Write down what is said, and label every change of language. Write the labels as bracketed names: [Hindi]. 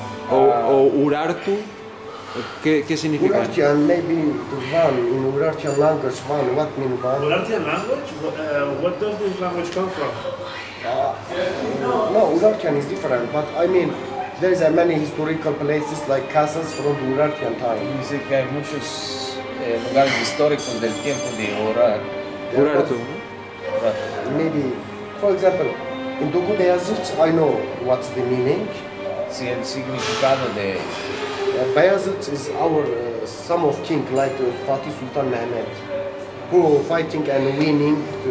[Spanish] O urartu, ¿qué significa? [English] Urartian, maybe the van, in Urartian language, van, what mean van? Urartian language? What does this language come from? No, Urartian is different, but I mean, there's many historical places like castles from the Urartian time. [Spanish] Y dice que hay muchos lugares históricos del tiempo de Urartu. Urartu. [English] Maybe, for example, in Dogo Beyazıt, I know what's the meaning. [Spanish] Sí, el significado de... [English] Beyazıt is our son of king, like Fatih Sultan Mehmet, who fighting and winning.